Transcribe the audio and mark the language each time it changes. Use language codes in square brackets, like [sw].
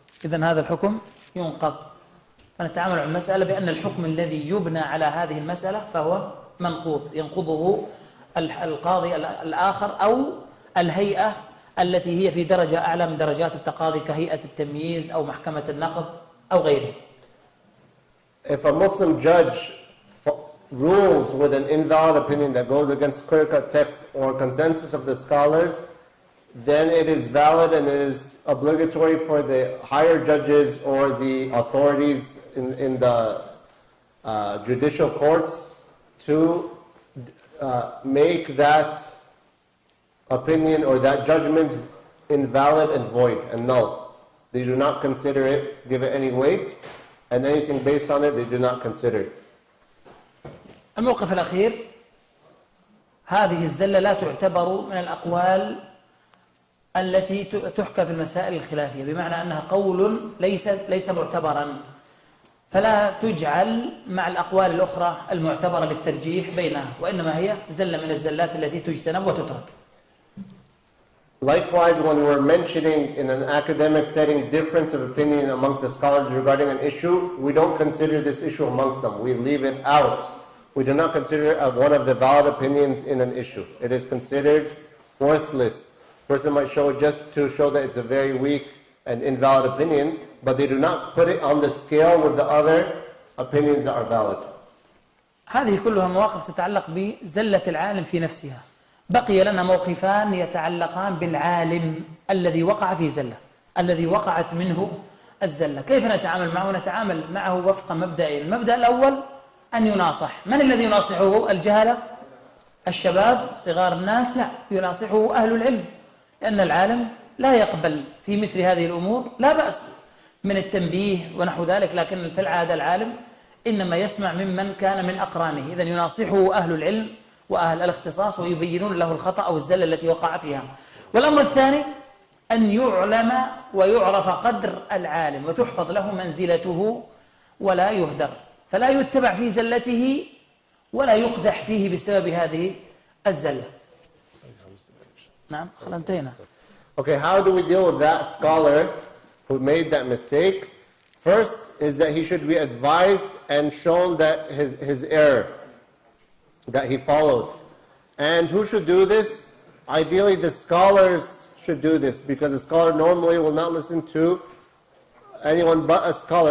[ar] إذن هذا الحكم ينقض. فنتعامل على المسألة بأن الحكم الذي يبنى على هذه المسألة فهو منقوض. ينقضه القاضي الآخر أو الهيئة التي هي في درجة أعلى من درجات التقاضي كهيئة التمييز أو محكمة النقض أو غيره. [en] If a Muslim judge rules with an invalid opinion that goes against clear-cut text or consensus of the scholars, then it is valid and it is obligatory for the higher judges or the authorities in the judicial courts to make that opinion or that judgment invalid and void and null. They do not consider it, give it any weight, and anything based on it, they do not consider. [ar] الموقف الأخير هذه الزلة لا تعتبر من الأقوال التي تحكى في المسائل الخلافية بمعنى أنها قول ليس معتبرا فلا تجعل مع الأقوال الأخرى المعتبرة للترجيح بينها وإنما هي زلة من الزلات التي تجتنب وتترك. [en] Likewise, when we're mentioning in an academic setting difference of opinion amongst the scholars regarding an issue, we don't consider this issue amongst them. We leave it out. We do not consider it one of the valid opinions in an issue. It is considered worthless. A person might show it just to show that it's a very weak and invalid opinion, but they do not put it on the scale with the other opinions that are valid. [ar] هذه كلها مواقف تتعلق بزلة العالم في نفسها. بقي لنا موقفان يتعلقان بالعالم الذي وقع في زلة، الذي وقعت منه الزلة. كيف نتعامل معه؟ نتعامل معه وفق مبدأين. المبدأ الأول أن يناصح. من الذي يناصحه؟ الجهلة؟ الشباب؟ صغار الناس؟ لا، يناصحه أهل العلم، لأن العالم لا يقبل في مثل هذه الأمور لا بأس من التنبيه ونحو ذلك، لكن في العادة العالم إنما يسمع ممن كان من أقرانه. إذن يناصحه أهل العلم وأهل الاختصاص ويبينون له الخطأ أو الزلة التي وقع فيها. والأمر الثاني أن يعلم ويعرف قدر العالم وتحفظ له منزلته ولا يهدر، فلا يتبع في زلته ولا يقدح فيه بسبب هذه الزلة. نعم، خلنتينا. [en] Okay, how do we deal with that scholar who made that mistake? First is that he should be advised and shown that his error that he followed. And who should do this? Ideally, the scholars should do this, because a scholar normally will not listen to anyone but a scholar.